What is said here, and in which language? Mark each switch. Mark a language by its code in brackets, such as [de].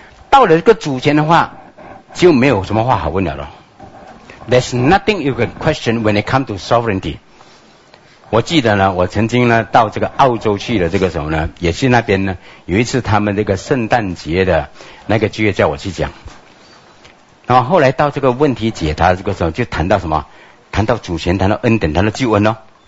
[zh] 到了这个主前的话，就没有什么话好问了咯。 [en] There's nothing you can question when it comes to sovereignty。 [zh] 我记得呢，我曾经呢到这个澳洲去的这个时候呢，也是那边呢有一次他们这个圣诞节的那个聚会叫我去讲。然后后来到这个问题解答这个时候，就谈到什么？谈到主权，谈到恩典，谈到救恩哦。